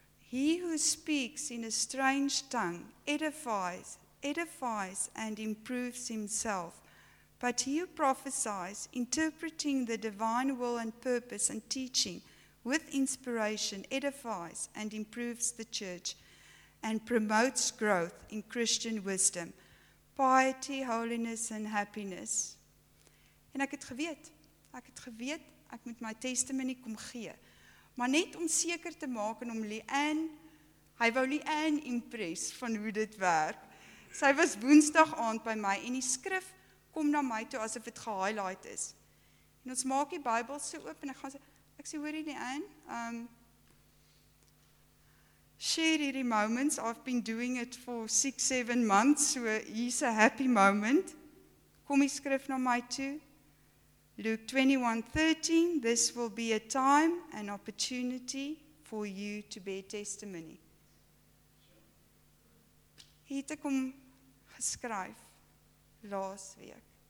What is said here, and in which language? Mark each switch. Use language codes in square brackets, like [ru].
[en] He who speaks in a strange tongue edifies and improves himself, but he who prophesies, interpreting the divine will and purpose and teaching with inspiration, edifies and improves the church and promotes growth in Christian wisdom, piety, holiness and happiness. [af] En ek het geweet, ek moet my testimony kom gee. Maar net om seker te maak en om Leanne, hy wou Leanne impress van hoe dit werk. Sy was woensdag aand by my en die skrif kom na my toe asof dit gehighlight is. En ons maak die Bybel so oop en ek gaan sê, ek sê, hoor hierdie een, share hierdie moments, [en] I've been doing it for 6-7 months, so here's a happy moment. [af] Kom die skrif na my toe. [en] Luke 21:13, this will be a time, an opportunity for you to bear testimony. [af] Hier het ek hom geskryf, laas week.